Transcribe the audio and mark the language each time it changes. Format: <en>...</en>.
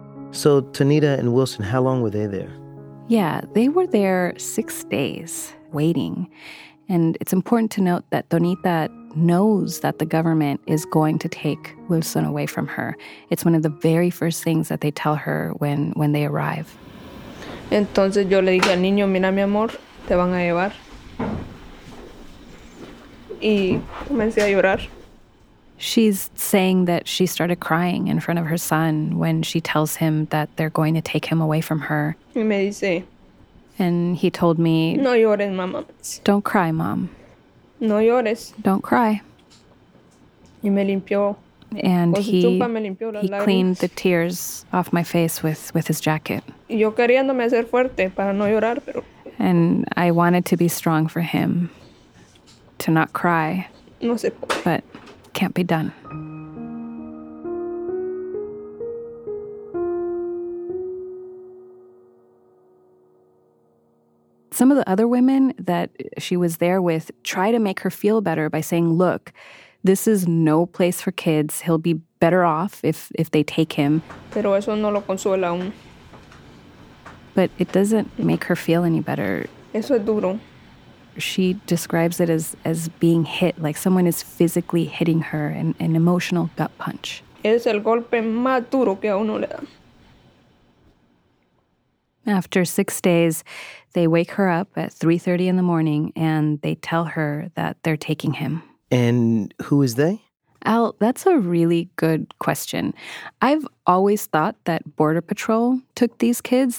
<en>So Tonita and Wilson, how long were they there? Yeah, they were there 6 days waiting. And it's important to note that Tonita knows that the government is going to take Wilson away from her. It's one of the very first things that they tell her when they arrive.</en> <es>Entonces yo le dije al niño, mira mi amor, te van a llevar. Y comencé a llorar.</es> <en>She's saying that she started crying in front of her son when she tells him that they're going to take him away from her.</en> <es>Y me dice.</es> <en>And he told me,</en> <es>no llores, mamá.</es> <en>Don't cry, mom.</en> <es>No llores.</es> <en>Don't cry.</en> <es>Y me limpió.</es> <en>And he cleaned the tears off my face with his jacket.</en> <es>Yo queriéndome hacer fuerte para no llorar, pero...</es> <en>And I wanted to be strong for him, to not cry.</en> <es>No se puede.</es> <en>But can't be done. Some of the other women that she was there with try to make her feel better by saying, look, this is no place for kids. He'll be better off if they take him.</en> <es>Pero eso no lo consuela aún.</es> <en>But it doesn't make her feel any better.</en> <es>Eso es duro.</es> <en>She describes it as being hit, like someone is physically hitting her, an emotional gut punch.</en> <es>Es el golpe más duro que a uno le da.</es> <en>After 6 days, they wake her up at 3:30 in the morning and they tell her that they're taking him. And who is they? Al, that's a really good question. I've always thought that Border Patrol took these kids.</en>